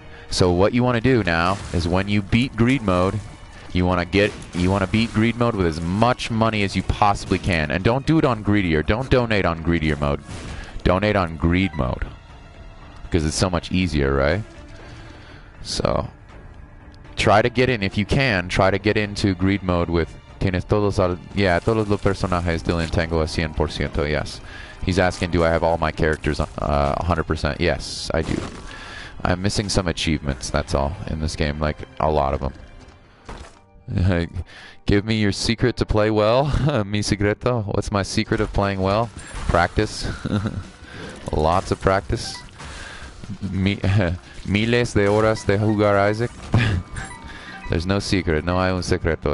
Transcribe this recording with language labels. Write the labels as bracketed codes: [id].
[en] So what you want to do now is when you beat greed mode, you want to beat greed mode with as much money as you possibly can. And don't do it on greedier. Don't donate on greedier mode. Donate on greed mode. Because it's so much easier, right? So, try to get in, if you can, try to get into greed mode with... [es] Tienes todos al... Yeah, todos los personajes del Entango a 100%, yes. [en] He's asking, do I have all my characters 100%? Yes, I do. I'm missing some achievements, that's all, in this game. Like, a lot of them. Give me your secret to play well. [es] Mi secreto. [en] What's my secret of playing well? Practice. Lots of practice. [es] Miles de horas de jugar, Isaac. [en] There's no secret. [es] No hay un secreto.